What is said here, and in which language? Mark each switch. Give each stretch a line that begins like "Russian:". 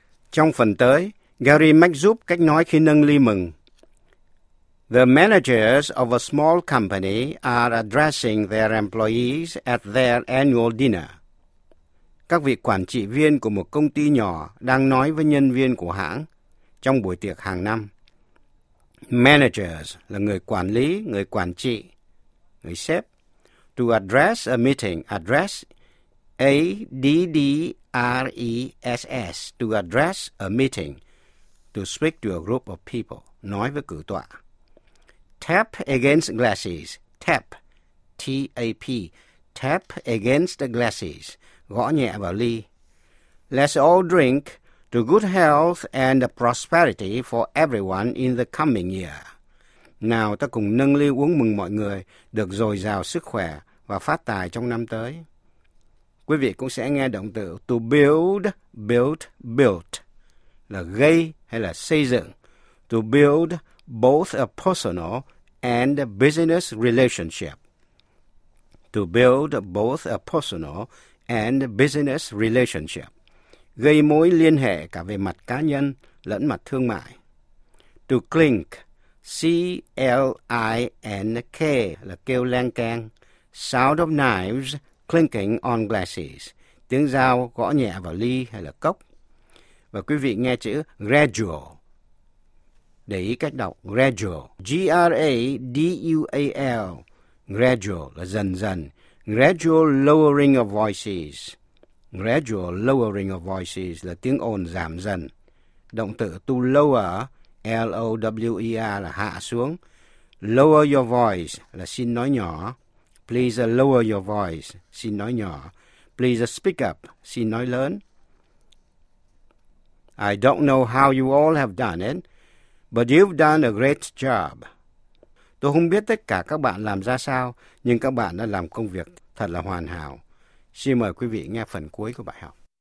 Vietnamese: Trong phần tới, Gary mách giúp cách nói khi nâng ly mừng.
English: The managers of a small company are addressing their employees at their annual dinner.
Vietnamese: Các vị quản trị viên của một công ty nhỏ đang nói với nhân viên của hãng trong buổi tiệc hàng năm. Managers là người quản lý, người quản trị, người sếp.
English: To address a meeting, address, A-D-D-R-E-S-S, to address a meeting, to speak to a group of people,
Vietnamese: nói với cử tọa.
English: Tap against glasses, tap, T-A-P, tap against the glasses,
Vietnamese: gõ nhẹ vào ly.
English: Let's all drink to good health and prosperity for everyone in the coming year.
Vietnamese: Nào ta cùng nâng ly uống mừng mọi người được dồi dào sức khỏe và phát tài trong năm tới. Quý vị cũng sẽ nghe động từ
English: to build, built, built
Vietnamese: là gây hay là xây dựng.
English: To build both a personal and a business relationship. To build both a personal and a business relationship.
Vietnamese: Gây mối liên hệ cả về mặt cá nhân lẫn mặt thương mại.
English: To clink, C-L-I-N-K,
Vietnamese: là kêu leng keng.
English: Sound of knives clinking on glasses,
Vietnamese: tiếng dao gõ nhẹ vào ly hay là cốc. Và quý vị nghe chữ gradual. Để ý cách đọc gradual, G-R-A-D-U-A-L, gradual là dần dần.
English: Gradual lowering of voices. Gradual lowering of voices
Vietnamese: là tiếng ồn giảm dần. Động từ
English: to lower, L-O-W-E-R
Vietnamese: là hạ xuống.
English: Lower your voice
Vietnamese: là xin nói nhỏ.
English: Please lower your voice,
Vietnamese: xin nói nhỏ.
English: Please speak up,
Vietnamese: xin nói lớn.
English: I don't know how you all have done it, but you've done a great job.
Vietnamese: Tôi không biết tất cả các bạn làm ra sao, nhưng các bạn đã làm công việc thật là hoàn hảo. Xin mời quý vị nghe phần cuối của bài học.